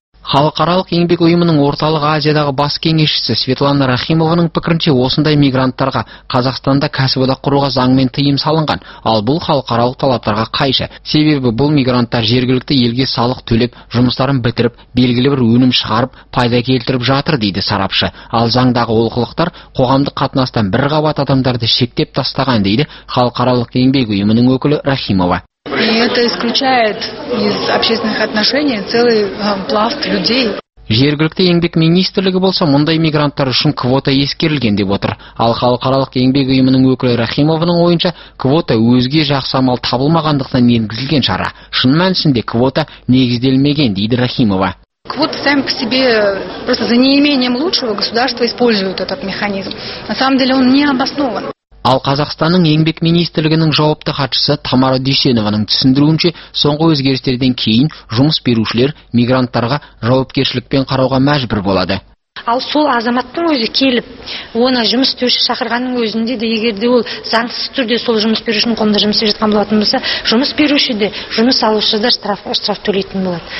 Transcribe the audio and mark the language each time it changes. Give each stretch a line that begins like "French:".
Kazakh: Халықаралық еңбек ұйымының Орталық Азиядағы бас кеңесшісі Светлана Рахимованың пікірінше, осындай мигранттарға Қазақстанда кәсіподақ құруға заңмен тыйым салынған, ал бұл халықаралық талаптарға қайшы. Себебі бұл мигранттар жергілікті елге салық төлеп, жұмыстарын бітіріп, белгілі бір өнім шығарып, пайда келтіріп жатыр дейді сарапшы. Ал заңдағы олқылықтар қоғамдық қатынастан бір қабат адамдарды шектеп тастаған дейді халықаралық еңбек ұйымының өкілі Рахимова.
Russian: И это исключает из общественных отношений целый пласт людей.
Kazakh: Жергілікті еңбек министрлігі болса, мұндай мигранттар үшін квота ескерілген деп отыр. Ал халықаралық еңбек ұйымының өкілі Рахимовының ойынша, квота өзге жақсы амал табылмағандықтан енгізілген шара. Шын мәнісінде квота негізделмеген дейді Рахимова.
Russian: Квоты сами по себе, просто за неимением лучшего государства используют этот механизм. На самом деле он не обоснован.
Kazakh: Ал Қазақстанның еңбек министрлігінің жауапты хатшысы Тамара Дүйсенованың түсіндіруінше, соңғы өзгерістерден кейін жұмыс берушілер мигранттарға жауапкершілікпен қарауға мәжбүр болады. Ал сол азаматтың өзі келіп, оны жұмыс істеуші шақырғанның өзінде де, егер де ол заңсыз түрде сол жұмыс берушінің қолында жұмыс істеп жатқан болатын болса, жұмыс беруші де, жұмыс алушы да штраф төлейтін болады.